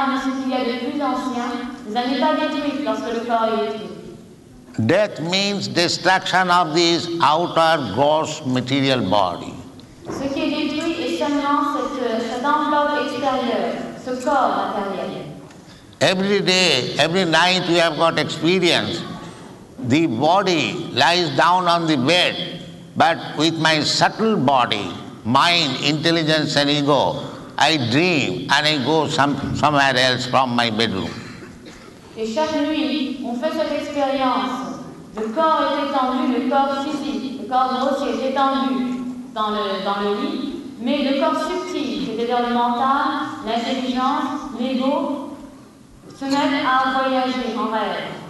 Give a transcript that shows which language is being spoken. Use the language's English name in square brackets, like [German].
[French] L'âme est éternelle, l'âme est ce qu'il y a de plus ancien, n'est pas détruite lorsque le corps est détruit. [English] Death means destruction of this outer gross material body. [French] Ce qui est détruit est seulement cette enveloppe extérieure, ce corps matériel. [English] Every day, every night we have got experience. The body lies down on the bed, but with my subtle body, mind, intelligence and ego, I dream and I go somewhere else from my bedroom. [French] Et chaque nuit, on fait cette expérience. Le corps est étendu, le corps physique, le corps grossier est étendu dans le lit, mais le corps subtil, c'est-à-dire le mental, l'intelligence, l'ego, se met à voyager en rêve.